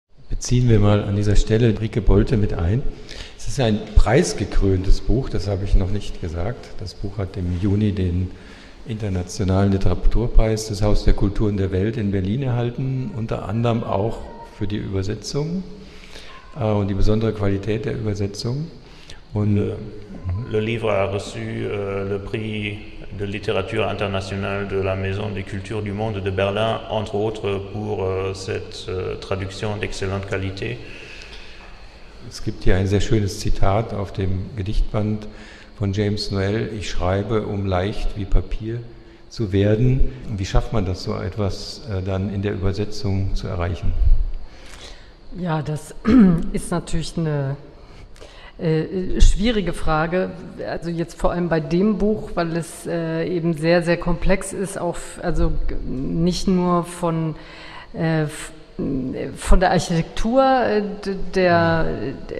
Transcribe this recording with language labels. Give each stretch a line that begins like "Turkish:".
German: Beziehen wir mal an dieser Stelle Ulrike Bolte mit ein. Es ist ein preisgekröntes Buch, das habe ich noch nicht gesagt. Das Buch hat im Juni den Internationalen Literaturpreis des Haus der Kulturen der Welt in Berlin erhalten, unter anderem auch für die Übersetzung und die besondere Qualität der Übersetzung. Und
French: le livre a reçu le prix de littérature internationale de la Maison des Cultures du Monde de Berlin, entre autres pour cette traduction d'excellente qualité.
German: Es gibt hier ein sehr schönes Zitat auf dem Gedichtband von James Noel: Ich schreibe, um leicht wie Papier zu werden. Wie schafft man das, so etwas dann in der Übersetzung zu erreichen? Ja, das ist natürlich eine schwierige Frage, also jetzt vor allem bei dem Buch, weil es eben sehr, sehr komplex ist, auch also nicht nur von der Architektur der